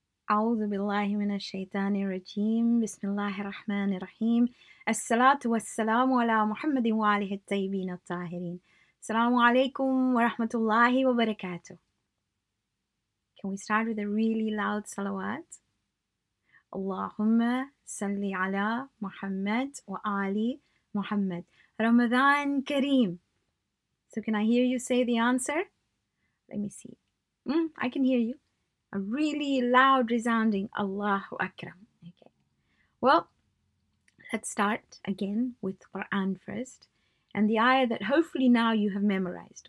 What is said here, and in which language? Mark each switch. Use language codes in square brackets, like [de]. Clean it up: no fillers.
[ar] أعوذ بالله من الشيطان الرجيم، بسم الله الرحمن الرحيم، الصلاة والسلام على محمد وآله الطيبين الطاهرين. السلام عليكم ورحمة الله وبركاته. [en] Can we start with a really loud salawat? [ar] اللهم صل على محمد وآل محمد. رمضان كريم. [en] So can I hear you say the answer? Let me see. I can hear you. A really loud resounding Allahu Akram. Okay. Well, let's start again with Quran first. And the ayah that hopefully now you have memorized.